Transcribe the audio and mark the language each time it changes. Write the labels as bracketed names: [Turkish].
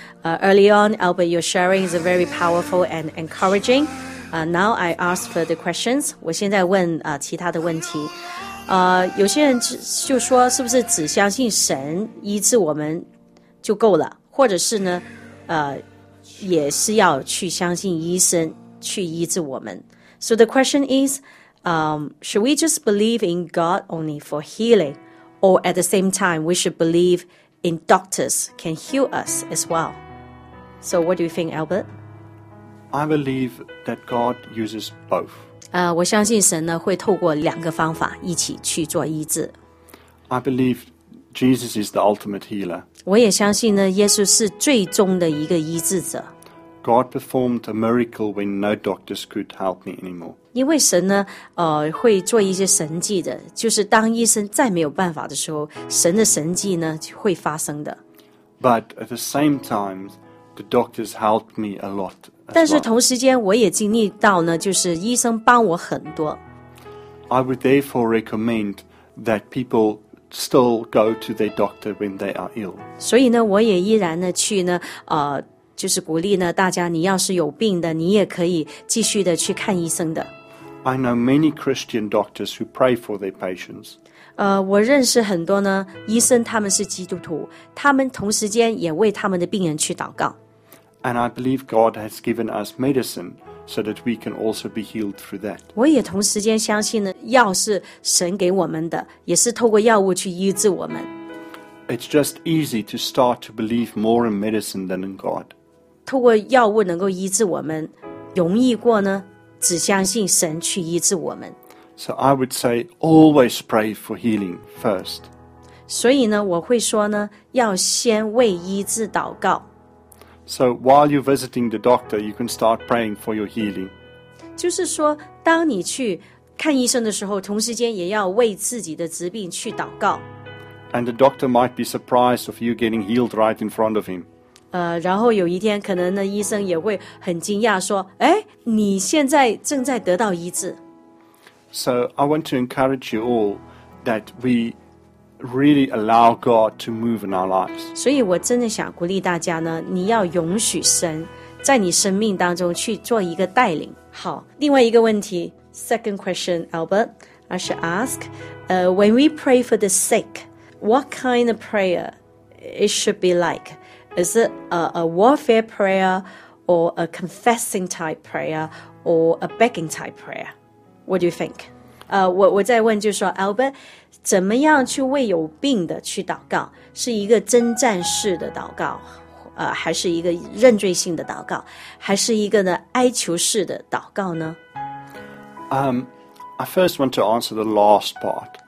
[English] Early on, Albert, your sharing is very powerful and encouraging. Now I ask for the questions. [Chinese] 我现在问其他的问题。有些人就说，是不是只相信神医治我们就够了？或者是呢，也是要去相信医生去医治我们 ？ [English] So the question is. Should we just believe in God only for healing, or at the same time, we should believe in doctors can heal us as well? So what do you think, Albert? I believe that God uses both. [Chinese] 我相信神呢会透过两个方法一起去做医治。 [English] I believe Jesus is the ultimate healer. [Chinese] 我也相信呢耶稣是最终的一个医治者。 [English] God performed a miracle when no doctors could help me anymore. [Chinese] 因为神呢，会做一些神迹的，就是当医生再没有办法的时候，神的神迹呢会发生的。 [English] But at the same time, the doctors helped me a lot. [Chinese] 但是同时间，我也经历到呢，就是医生帮我很多。 [English] I would therefore recommend that people. Still go to their doctor when they are ill. [Chinese] 所以呢，我也依然呢去呢，就是鼓励呢大家，你要是有病的，你也可以继续的去看医生的。 [English] I know many Christian doctors who pray for their patients. [Chinese] 我认识很多呢医生，他们是基督徒，他们同时间也为他们的病人去祷告。 [English] And I believe God has given us medicine. So that we can also be healed through that. [Chinese] 我也同时间相信呢，药是神给我们的，也是透过药物去医治我们。 [English] It's just easy to start to believe more in medicine than in God. [Chinese] 透过药物能够医治我们，容易过呢，只相信神去医治我们。 [English] So I would say always pray for healing first. [Chinese] 所以呢，我会说呢，要先为医治祷告。 [English] So while you're visiting the doctor, you can start praying for your healing. [Chinese] 就是说，当你去看医生的时候，同时间也要为自己的疾病去祷告。 [English] And the doctor might be surprised of you getting healed right in front of him. [Chinese] 然后有一天，可能呢，医生也会很惊讶说，哎，你现在正在得到医治。 [English] So I want to encourage you all that we... Really allow God to move in our lives. [Chinese] 所以我真的想鼓励大家呢，你要允许神在你生命当中去做一个带领。好，另外一个问题 [English] ，second question, Albert, I should ask, when we pray for the sick, what kind of prayer it should be like? Is it a warfare prayer, or a confessing type prayer, or a begging type prayer? What do you think? [Chinese] 我再问就是说 ，Albert。怎么样去为有病的去祷告？是一个征战式的祷告，还是一个认罪性的祷告，还是一个呢哀求式的祷告呢？ [English] I first want to answer the last part.